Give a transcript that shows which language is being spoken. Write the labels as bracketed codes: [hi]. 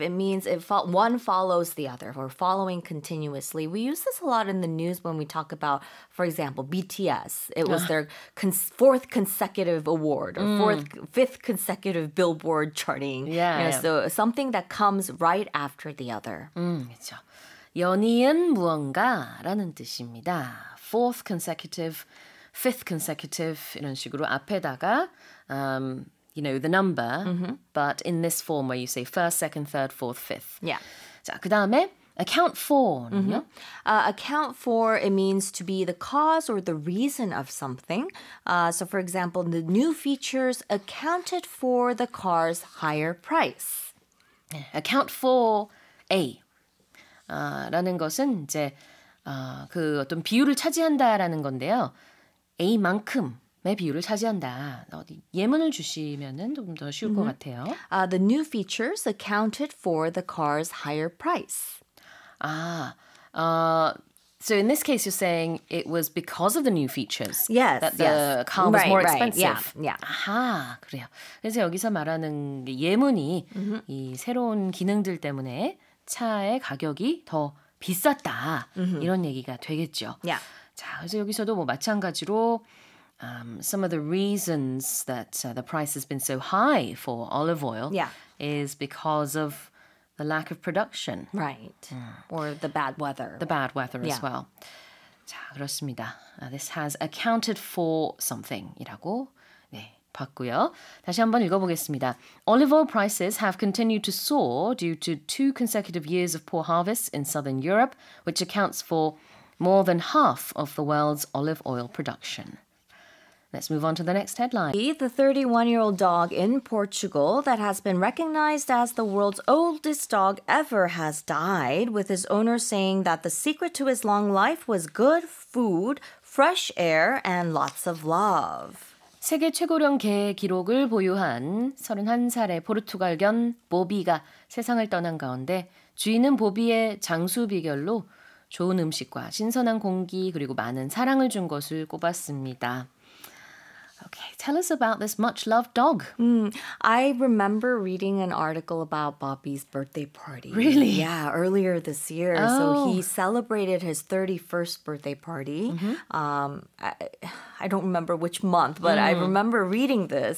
[en] It means one follows the other or following continuously. We use this a lot in the news when we talk about, for example, BTS. It was their fourth consecutive award or fifth consecutive Billboard charting. Yeah, you know, yeah. So something that comes right after the other. [ko] 그렇죠. 연이은 무언가라는 뜻입니다. [en] Fourth consecutive, fifth consecutive [ko] 이런 식으로 앞에다가 [en] you know, the number, but in this form where you say first, second, third, fourth, fifth. Yeah. [ko] 자, 그 다음에 account for. [en] Account for, it means to be the cause or the reason of something. So, for example, the new features accounted for the car's higher price. Account for A. [ko] 라는 것은 이제 그 어떤 비율을 차지한다라는 건데요. A만큼. 비율을 차지한다. 예문을 주시면은 좀 더 쉬울 것 같아요. [en] The new features accounted for the car's higher price. So in this case, you're saying it was because of the new features yes, that the yes. car was right, more right. expensive. Yeah, yeah. [ko] 아하, 그래요. 그래서 여기서 말하는 예문이 이 새로운 기능들 때문에 차의 가격이 더 비쌌다. 이런 얘기가 되겠죠. [en] Yeah. [ko] 자, 그래서 여기서도 뭐 마찬가지로 [en] some of the reasons that the price has been so high for olive oil yeah. is because of the lack of production. Right. Or the bad weather. The bad weather yeah. as well. [ko] 자, 그렇습니다. [en] This has accounted for something [ko] 이라고 네, 봤고요. 다시 한번 읽어보겠습니다. [en] Olive oil prices have continued to soar due to two consecutive years of poor harvests in southern Europe, which accounts for more than half of the world's olive oil production. Let's move on to the next headline. The 31-year-old dog in Portugal that has been recognized as the world's oldest dog ever has died, with his owner saying that the secret to his long life was good food, fresh air, and lots of love. [ko] 세계 최고령 개 기록을 보유한 31살의 포르투갈견 보비가 세상을 떠난 가운데 주인은 보비의 장수 비결로 좋은 음식과 신선한 공기 그리고 많은 사랑을 준 것을 꼽았습니다. [en] Okay, tell us about this much-loved dog. I remember reading an article about Bobby's birthday party. Really? Yeah, earlier this year. Oh. So he celebrated his 31st birthday party. I don't remember which month, but I remember reading this.